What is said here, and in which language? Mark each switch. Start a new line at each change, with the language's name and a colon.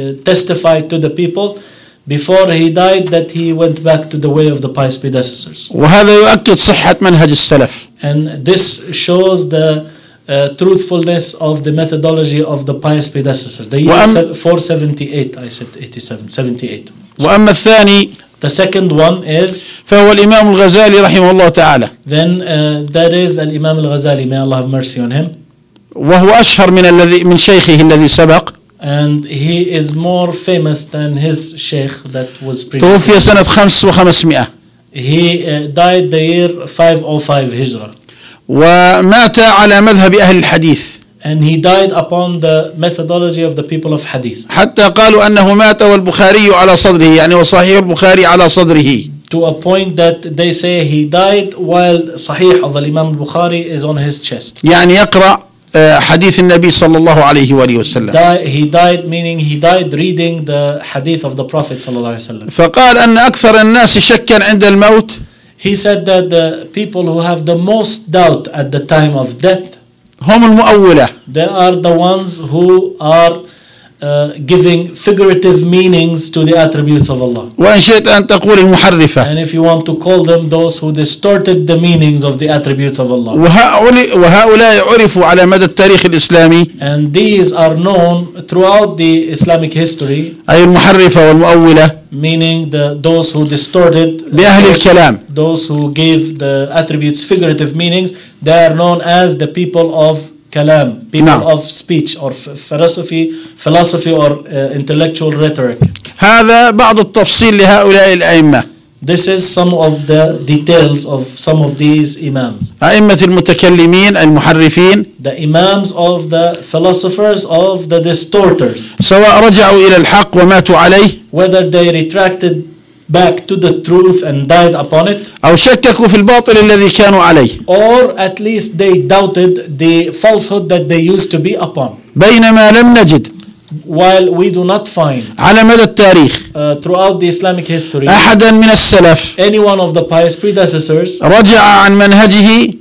English: Testified to the people before he died that he went back to the way of the pious predecessors.
Arabic: وهذا يؤكد صحة منهج السلف.
English: And this shows the truthfulness of the methodology of the pious predecessors. The year 478, I said 87,
Arabic: 78. وأما الثاني.
English: The second one is.
Arabic: فهو الإمام الغزالي رحمه الله تعالى.
English: Then that is الإمام الغزالي, may Allah have mercy on him.
Arabic: وهو أشهر من الذي من شيخه الذي سبق.
English: And he is more famous than his sheikh that was previous.
Arabic: توفي سنة 500.
English: He died the year 505 هجرة.
Arabic: ومات على مذهب أهل الحديث.
English: And he died upon the methodology of the people of hadith.
Arabic: حتى قالوا أنه مات والبخاري على صدره, يعني وصحيح البخاري على صدره.
English: To a point that they say he died while صحيح of the Imam Bukhari is on his chest.
Arabic: يعني يقرأ حديث النبي صلى الله عليه وآله وسلم.
English: He died meaning he died reading the hadith of the Prophet
Arabic: صلى الله عليه وسلم. فقال أن أكثر الناس شكا عند الموت.
English: He said that the people who have the most doubt at the time of death.
Arabic: هم المؤولة.
English: They are the ones who are giving figurative meanings to the attributes of Allah.
Arabic: وإن شئت أن تقول المحرفة.
English: And if you want to call them those who distorted the meanings of the attributes of Allah.
Arabic: وهؤلاء عرفوا على مدى التاريخ الإسلامي.
English: And these are known throughout the Islamic history.
Arabic: أي المحرفة والمؤولة.
English: Meaning the those who distorted.
Arabic: بأهل الكلام.
English: Those who gave the attributes figurative meanings, they are known as the people of كلام, people no. of speech or philosophy or intellectual rhetoric.
Arabic: هذا بعض التفصيل لهؤلاء الأئمة.
English: This is some of the details of some of these imams.
Arabic: أئمة المتكلمين المحرفين.
English: The imams of the philosophers of the distorters.
Arabic: سواء رجعوا إلى الحق وماتوا عليه.
English: Whether they retracted back to the truth and died upon it.
Arabic: أو شككوا في الباطل الذي كانوا عليه.
English: Or at least they doubted the falsehood that they used to be upon.
Arabic: بينما لم نجد.
English: While we do not find.
Arabic: على مدى التاريخ.
English: Throughout the Islamic history.
Arabic: أحدا من السلف.
English: Any one of the pious predecessors.
Arabic: رجع عن منهجه.